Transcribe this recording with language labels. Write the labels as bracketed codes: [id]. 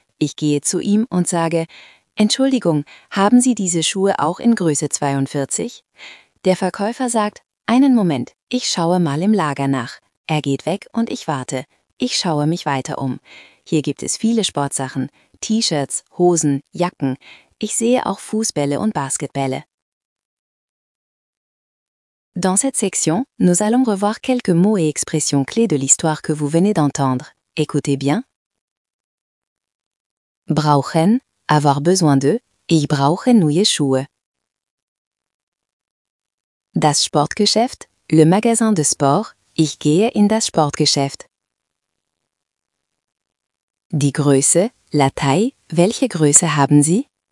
[de] Ich gehe zu ihm und sage, Entschuldigung, haben Sie diese Schuhe auch in Größe 42? Der Verkäufer sagt, einen Moment, ich schaue mal im Lager nach. Er geht weg und ich warte. Ich schaue mich weiter um. Hier gibt es viele Sportsachen, T-Shirts, Hosen, Jacken. Ich sehe auch Fußbälle und Basketbälle. [fr] Dans cette section, nous allons revoir quelques mots et expressions clés de l'histoire que vous venez d'entendre. Écoutez bien. [de] Brauchen, [fr] avoir besoin de, [de] ich brauche neue Schuhe. Das Sportgeschäft, [fr] le magasin de sport, [de] ich gehe in das Sportgeschäft. Die Größe, [fr] la taille, [de] welche Größe haben Sie?